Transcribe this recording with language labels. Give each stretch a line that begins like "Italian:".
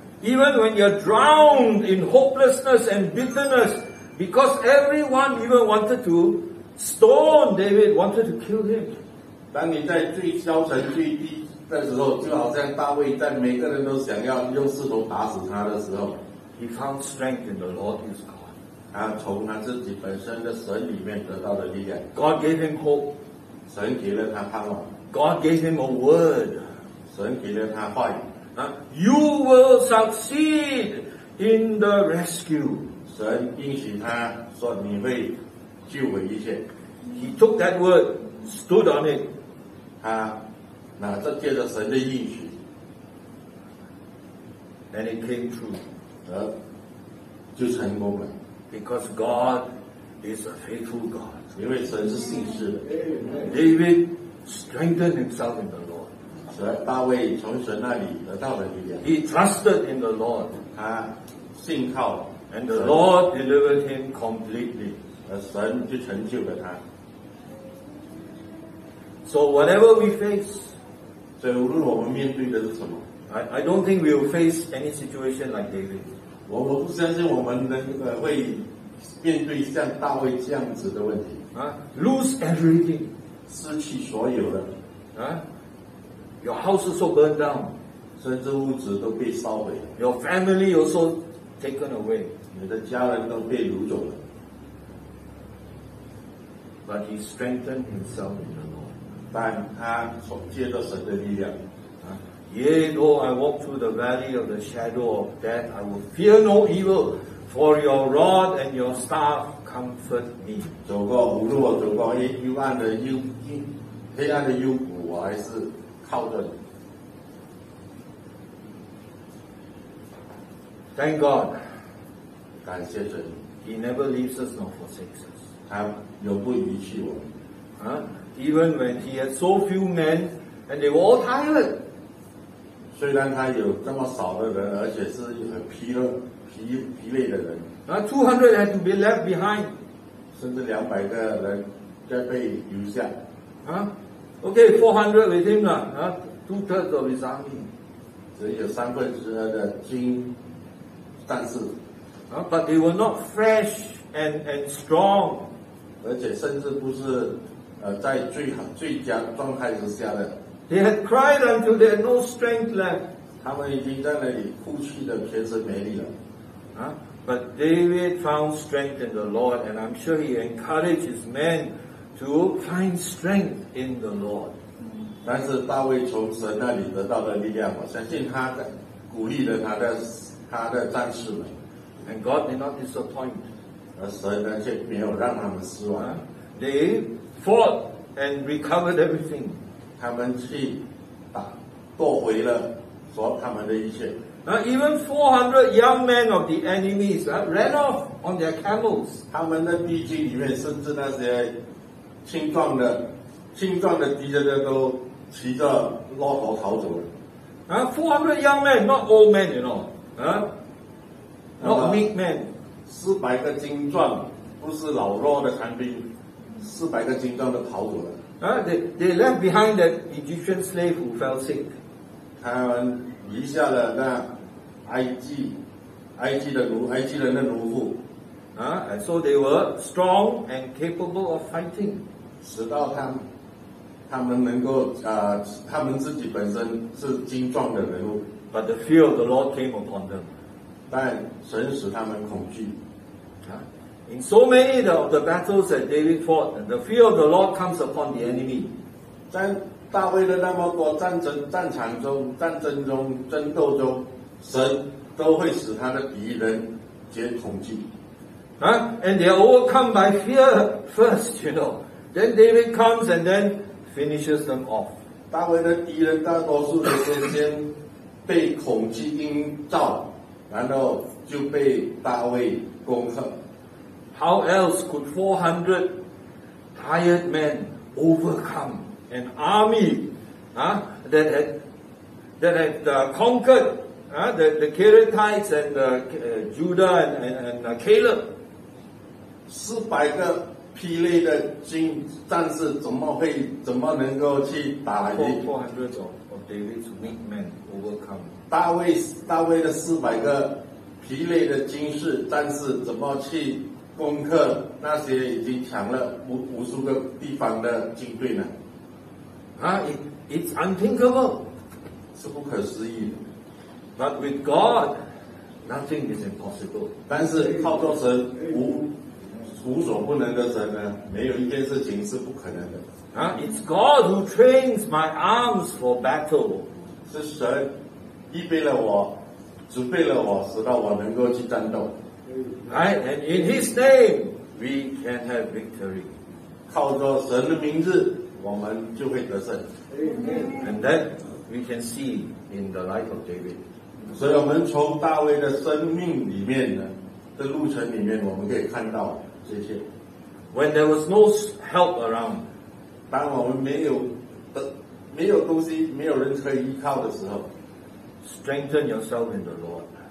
English: Even when you're drowned in hopelessness and bitterness, because everyone even wanted to stone David, wanted to kill him.
Chinese: 当你在最消沉、最低的时候，就好像大卫在每个人都想要用石头打死他的时候
English: ，He found strength in the Lord his God.
Chinese: 他从他自己本身的神里面得到的力量。
English: God gave him hope.
Chinese: 神给了他盼望。
English: God gave him a word.
Chinese: 神给了他话语。
English: You will succeed in the rescue.
Chinese: 神应许他说你会救回一切。
English: He took that word, stood on it.
Chinese: 他拿着借着神的应许。
English: And it came true.
Chinese: 就成功了。
English: Because God is a faithful God.
Chinese: 因为神是信实的。
English: David strengthened himself in the Lord.
Chinese: 大卫从神那里得到了力量。
English: He trusted in the Lord.
Chinese: 他信靠。
English: And the Lord delivered him completely.
Chinese: 而神就成就了他。
English: So whatever we face,
Chinese: 所以无论我们面对的是什么
English: ，I don't think we'll face any situation like David.
Chinese: 我不相信我们能会面对像大卫这样子的问题。
English: Lose everything,
Chinese: 失去所有的。
English: Your house is so burned down.
Chinese: 甚至屋子都被烧毁了。
English: Your family also taken away.
Chinese: 你的家人都被掳走了。
English: But he strengthened himself in the Lord.
Chinese: 但他借着神的力量。
English: Yea, though I walk through the valley of the shadow of death, I will fear no evil, for your rod and your staff comfort me.
Chinese: 走过无路，走过黑暗的幽谷，我还是靠着你。
English: Thank God.
Chinese: 感谢神。
English: He never leaves us nor forsakes us.
Chinese: 他永不离弃我。
English: Even when he had so few men and they were all tired.
Chinese: 虽然他有这么少的人，而且是很疲累的人。
English: 200 had to be left behind.
Chinese: 甚至200个人在被留下。
English: Okay, 400 with him, two-thirds of his army.
Chinese: 只有三分之二的军，但是
English: But they were not fresh and strong.
Chinese: 而且甚至不是在最佳状态之下的。
English: They had cried until they had no strength left.
Chinese: 他们已经在那里哭泣的全身没力了。
English: But David found strength in the Lord, and I'm sure he encouraged his men to find strength in the Lord.
Chinese: 但是大卫从神那里得到的力量，我相信他的鼓励了他的战士们。
English: And God did not disappoint.
Chinese: 而神呢却没有让他们失望。
English: They fought and recovered everything.
Chinese: 他们去打夺回了所他们的一切。
English: Now even 400 young men of the enemies ran off on their camels.
Chinese: 他们的敌军里面甚至那些青壮的敌人的都骑着骆驼逃走了。
English: 400 young men, not old men, you know. Not meek men.
Chinese: 400个青壮，不是老弱的残兵，400个青壮的逃走了。
English: They left behind that Egyptian slave who fell sick.
Chinese: 他们留下了那埃及人的奴妇。
English: And so they were strong and capable of fighting.
Chinese: 直到他们能够他们自己本身是精壮的人物。
English: But the fear of the Lord came upon them.
Chinese: 但神使他们恐惧。
English: In so many of the battles that David fought, the fear of the Lord comes upon the enemy.
Chinese: 在大卫的那么多战斗中，神都会使他的敌人觉恐惧。
English: And they are overcome by fear first, you know. Then David comes and then finishes them off.
Chinese: 大卫的敌人大多数的时间被恐惧映照，然后就被大卫攻克。
English: How else could 400 tired men overcome an army that had conquered the Kerethites and Judah and Caleb?
Chinese: 400个霹雳的军战士怎么会怎么能够去打来的
English: 400 of David's weak men overcome
Chinese: 大卫的400个霹雳的军士战士怎么去攻克那些已经抢了 无数个地方的军队呢、
English: It's unthinkable
Chinese: 是不可思议的
English: But with God nothing is impossible
Chinese: 但是靠着神无所不能的神呢，没有一件事情是不可能的。
English: It's God who trains my arms for battle.
Chinese: 是神预备了我，准备了我，使到我能够去战斗。
English: Right, and in His name we can have victory.
Chinese: 靠着神的名字，我们就会得胜。
English: And that we can see in the life of David.
Chinese: 所以我们从大卫的生命里面呢，的路程里面，我们可以看到。
English: When there was no help around,
Chinese: 当我们没有东西，没有人可以依靠的时候
English: ，strengthen yourself in the Lord,